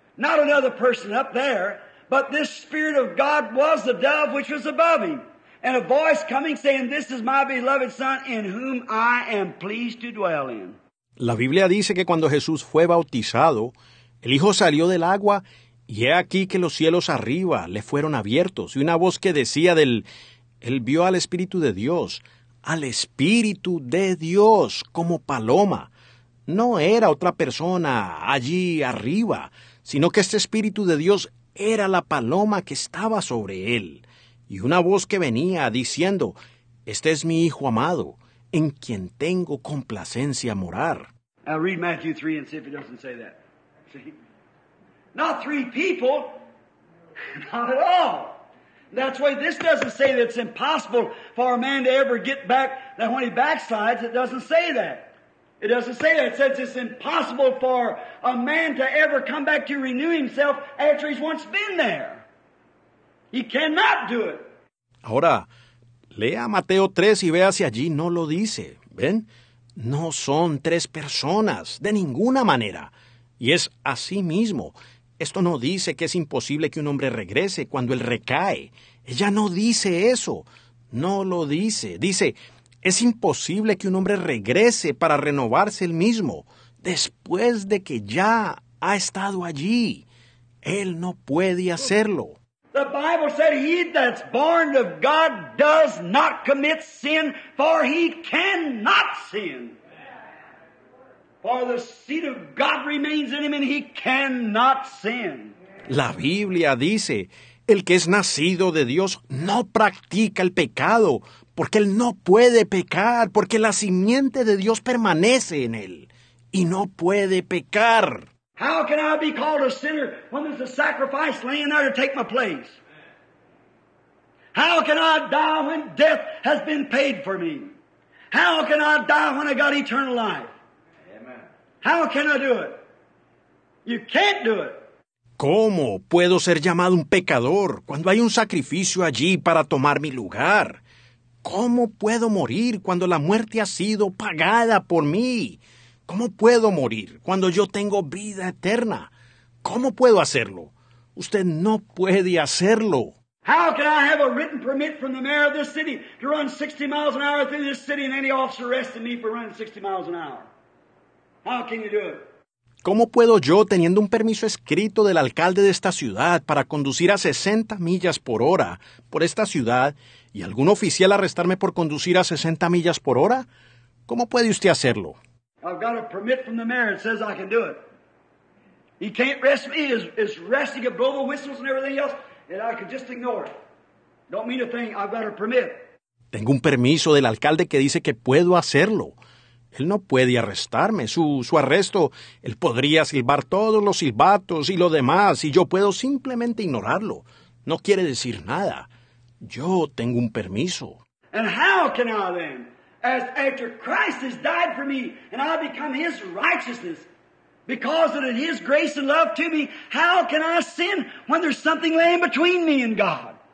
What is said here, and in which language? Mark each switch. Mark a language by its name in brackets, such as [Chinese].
[English] Not another person up there, but this Spirit of God was the dove which was above him. And a voice coming saying, this is my beloved Son in whom I am pleased to dwell in. [Spanish] La Biblia dice que cuando Jesús fue bautizado, el Hijo salió del agua, y he aquí que los cielos arriba le fueron abiertos, y una voz que decía del... Él vio al Espíritu de Dios, al Espíritu de Dios, como paloma. No era otra persona allí arriba, sino que este Espíritu de Dios era la paloma que estaba sobre él. Y una voz que venía diciendo, este es mi Hijo amado, en quien tengo complacencia morar. [English] I'll read Matthew 3 and see if it doesn't say that. See? Not three people, not at all. That's why this doesn't say that it's impossible for a man to ever get back, that when he backslides, it doesn't say that. It doesn't say that. It says it's impossible for a man to ever come back to renew himself after he's once been there. He cannot do it. [Spanish] Ahora, lea Mateo 3 y vea si allí no lo dice. ¿Ven? No son tres personas, de ninguna manera. Y es así mismo. Esto no dice que es imposible que un hombre regrese cuando él recae. Ella no dice eso. No lo dice. Dice, es imposible que un hombre regrese para renovarse él mismo después de que ya ha estado allí. Él no puede hacerlo. [English] The Bible said, he that's born of God does not commit sin, for he cannot sin. For the seed of God remains in him and he cannot sin. [Spanish] La Biblia dice, el que es nacido de Dios no practica el pecado, porque él no puede pecar, porque la simiente de Dios permanece en él y no puede pecar. [English] How can I be called a sinner when there's a sacrifice laying there to take my place? How can I die when death has been paid for me? How can I die when I got eternal life? How can I do it? You can't do it. [Spanish] ¿Cómo puedo ser llamado un pecador cuando hay un sacrificio allí para tomar mi lugar? ¿Cómo puedo morir cuando la muerte ha sido pagada por mí? ¿Cómo puedo morir cuando yo tengo vida eterna? ¿Cómo puedo hacerlo? Usted no puede hacerlo. [English] How can I have a written permit from the mayor of this city to run 60 miles an hour through this city and any officer arresting me for running 60 miles an hour? How can you do it? [Spanish] ¿Cómo puedo yo, teniendo un permiso escrito del alcalde de esta ciudad para conducir a 60 millas por hora por esta ciudad y algún oficial arrestarme por conducir a 60 millas por hora? ¿Cómo puede usted hacerlo? [English] I've got a permit from the mayor that says I can do it. He can't arrest me. It's resting a blow the whistles and everything else, and I can just ignore it. Don't mean a thing. I've got a permit. [Spanish] Tengo un permiso del alcalde que dice que puedo hacerlo. Él no puede arrestarme. Su arresto, él podría silbar todos los silbatos y lo demás, y yo puedo simplemente ignorarlo. No quiere decir nada. Yo tengo un permiso. [English] And how can I then, as after Christ has died for me, and I become his righteousness, because of his grace and love to me, how can I sin when there's something laying between me and God?